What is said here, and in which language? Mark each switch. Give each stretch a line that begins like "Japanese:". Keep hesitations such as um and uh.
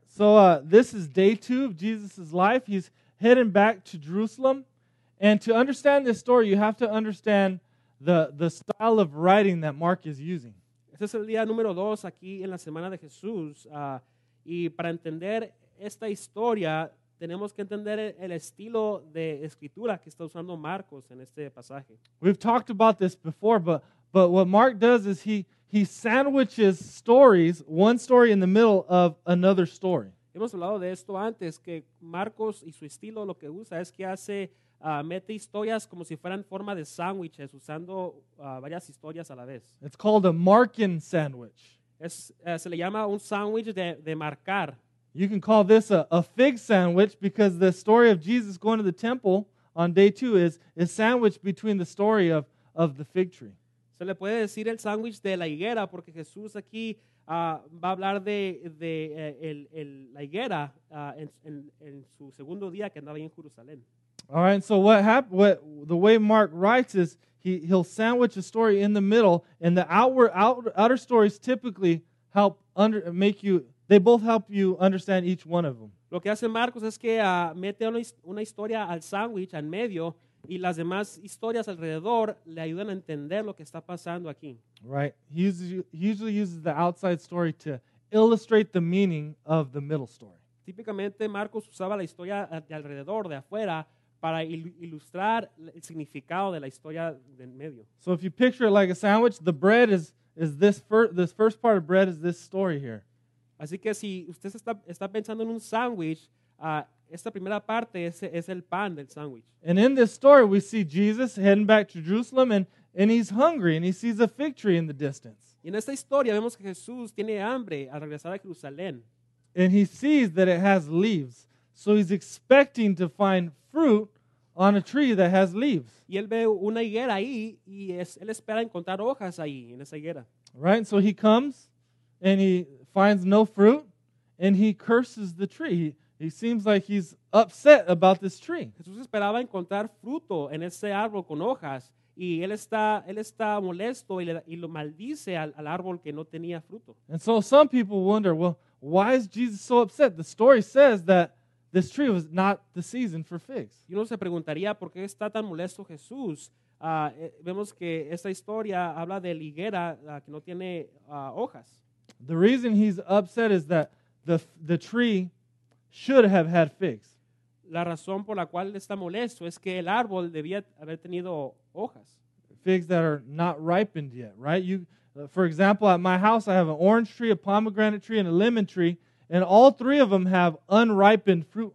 English: So uh, this is day two of Jesus' life. He's heading back to Jerusalem. And to understand this story, you have to understand the, the style of writing that Mark is using.
Spanish: Este es el día número dos aquí en la semana de Jesús. Uh, y para entender esta historia, tenemos que entender el estilo de escritura que está usando Marcos en este pasaje.
English: We've talked about this before, but, but what Mark does is he, he sandwiches stories, one story in the middle of another story.
Spanish: Hemos hablado de esto antes, que Marcos y su estilo lo que usa es que hace, uh, historias como si fueran forma de sándwiches, usando varias historias a la vez.
English: It's called a Markin sandwich.
Spanish: Es, se le llama un sándwich de, marcar.
English: You can call this a, a fig sandwich because the story of Jesus going to the temple on day two is, is sandwiched between the story of, of the fig tree.
Spanish: Se le puede decir el sándwich de la higuera, porque Jesús aquí uh, va a hablar de, de, de el, el, la higuera uh, en, en, en su segundo día que andaba ahí en Jerusalén.
English: All right, so what happened, what, the way Mark writes is he, he'll sandwich a story in the middle, and the outward, outer, outer stories typically help under, make you, they both help you understand each one of them.
Spanish: Lo que hace Marcos es que uh, mete una, una historia al sándwich, en medio, y las demás historias alrededor le ayudan a entender lo que está pasando aquí.
English: Right. He usually, uses the outside story to illustrate the meaning of the middle story.
Spanish: Típicamente Marcos usaba la historia de alrededor, de afuera, para ilustrar el significado de la historia del medio.
English: So if you picture it like a sandwich, the bread is is this first this first part of bread is this story here.
Spanish: Así que si usted está está pensando en un sándwich, uh, Parte, ese, es and
English: in this story we see Jesus heading back to Jerusalem and, and he's hungry and he sees a fig tree in the distance.
Spanish: Y esta historia vemos que Jesús tiene hambre al regresar a Jerusalén.
English: And he sees that it has leaves. So he's expecting to find fruit on a tree that has leaves.
Spanish: Y él ve una higuera ahí y es, él espera encontrar hojas ahí en esa higuera.
English: Right? So he comes and he finds no fruit and he curses the tree. He, he seems like he's upset about this tree.
Spanish: Jesús esperaba encontrar fruto en ese árbol con hojas y él está él está molesto y, le, y lo maldice al, al árbol que no tenía fruto.
English: And so some people wonder, well, why is Jesus so upset? The story says that this tree was not the season for figs.
Spanish: Y uno se preguntaría por qué está tan molesto Jesús. Uh, vemos que esta historia habla de higuera uh, que no tiene uh, hojas.
English: The reason he's upset is that the the tree should have had figs.
Spanish: La razón por la cual está molesto es que el árbol debía haber tenido hojas.
English: Figs that are not ripened yet, right? You, for example, at my house I have an orange tree, a pomegranate tree, and a lemon tree, and all three of them have unripened fruit